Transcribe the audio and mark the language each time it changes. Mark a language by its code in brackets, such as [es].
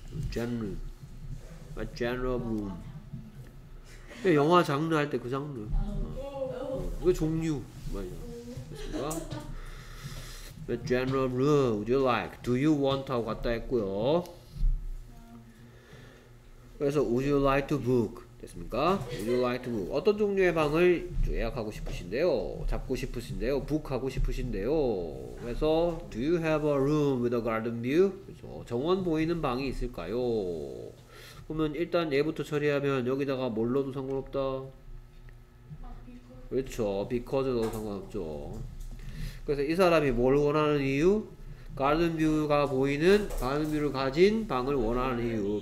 [ko] 장르. [en] What genre of room? [ko] 영화 장르 할 때 그 장르. 그 종류. 맞아. 됐습니까? [en] What genre of room would you like? Do you want? [ko] 하고 갔다 했고요. 그래서 [en] Would you like to book? [ko] 됐습니까? [en] Would you like to book? [ko] 어떤 종류의 방을 예약하고 싶으신데요? 잡고 싶으신데요? Book 하고 싶으신데요? 그래서 [en] Do you have a room with a garden view? [ko] 그래서 정원 보이는 방이 있을까요? 그러면 일단 얘부터 처리하면 여기다가 뭘 넣어도 상관없다. 그렇죠. [en] Because [ko] 넣어도 상관없죠. 그래서 이 사람이 뭘 원하는 이유? 가든 뷰가 보이는, 가든 뷰를 가진 방을 원하는 이유.